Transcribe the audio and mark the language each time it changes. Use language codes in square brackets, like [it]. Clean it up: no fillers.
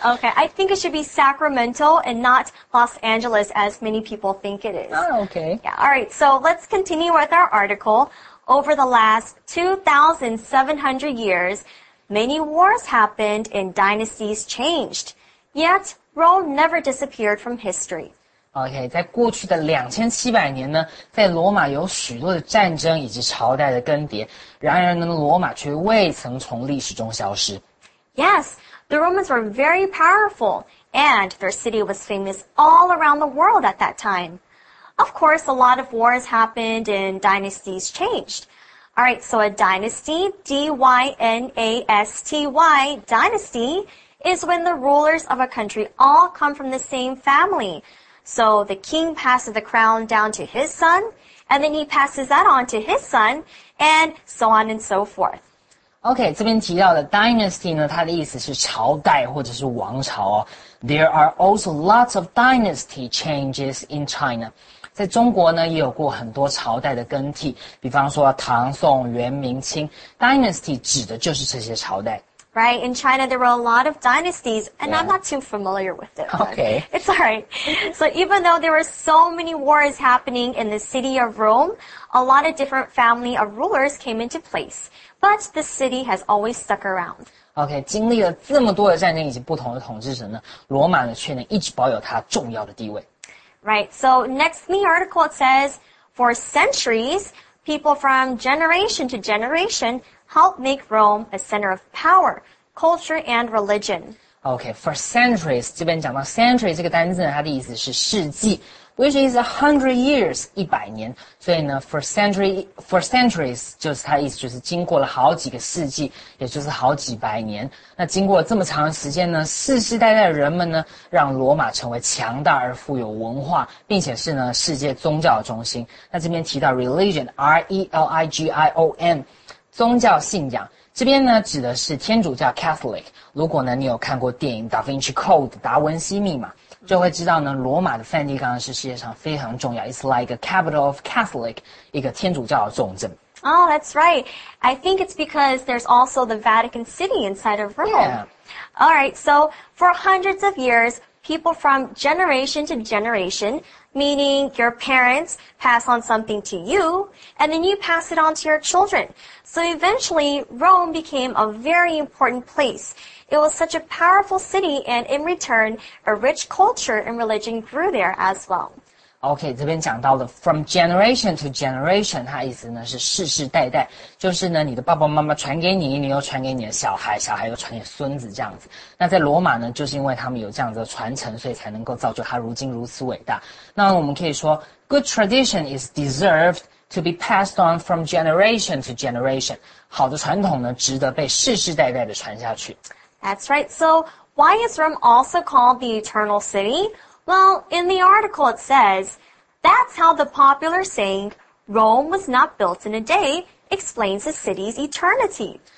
[en] Okay, I think it should be Sacramento and not Los Angeles as many people think it is. Oh, okay. Yeah, all right, so let's continue with our article. Over the last 2,700 years, many wars happened and dynasties changed. Yet, Rome never disappeared from history. [zh] Okay, 在过去的2700年呢，在罗马有许多的战争以及朝代的更迭，然而呢，罗马却未曾从历史中消失。 [en] Yes, the Romans were very powerful, and their city was famous all around the world at that time. Of course, a lot of wars happened and dynasties changed. All right, so a dynasty, D-Y-N-A-S-T-Y, dynasty,is when the rulers of a country all come from the same family. So the king passes the crown down to his son, and then he passes that on to his son, and so on and so forth. [zh] Okay, 这边提到的 dynasty 呢，它的意思是朝代或者是王朝哦。 [en] There are also lots of dynasty changes in China. [zh] 在中国呢，也有过很多朝代的更替，比方说唐宋元明清 dynasty 指的就是这些朝代。 [en] Right, in China there were a lot of dynasties, and yeah. I'm not too familiar with it. Okay. It's alright. So even though there were so many wars happening in the city of Rome, a lot of different family of rulers came into place. But the city has always stuck around. [zh] Okay, 经历了这么多的战争以及不同的统治者呢，罗马呢却能一直保有它重要的地位。 [en] Right, so next in the article it says, for centuries, people from generation to generationhelp make Rome a center of power, culture, and religion. [zh] Okay, for centuries, 这边讲到 century 这个单字呢，它的意思是世纪 [en] which is 100 years, [zh] 一百年。所以呢 for centuries, 就是它的意思就是经过了好几个世纪，也就是好几百年。那经过了这么长的时间呢，世世代代的人们呢，让罗马成为强大而富有文化，并且是呢世界宗教的中心。那这边提到 religion, R-E-L-I-G-I-O-N,宗教信仰，这边呢指的是天主教 Catholic。如果呢你有看过电影《达芬奇 Code》达文西密码，就会知道呢罗马的梵蒂冈是世界上非常重要。 It's like a capital of Catholic, 一个天主教的重镇。 [en] Oh, that's right. I think it's because there's also the Vatican City inside of Rome. Yeah. All right. So for hundreds of years, people from generation to generation. Meaning your parents pass on something to you, and then you pass it on to your children. So eventually, Rome became a very important place. It was such a powerful city, and in return, a rich culture and religion grew there as well. [zh] Okay, 这边讲到了 [en] from generation to generation, [zh] 它意思呢是世世代代，就是呢你的爸爸妈妈传给你，你又传给你的小孩，小孩又传给孙子这样子。那在罗马呢，就是因为他们有这样子的传承，所以才能够造就它如今如此伟大。那我们可以说 [en] good tradition is deserved to be passed on from generation to generation. [zh] 好的传统呢，值得被世世代代的传下去。 [en] That's right. So, why is Rome also called the Eternal City? Well, in the article it says, that's how the popular saying, Rome was not built in a day, explains the city's eternity.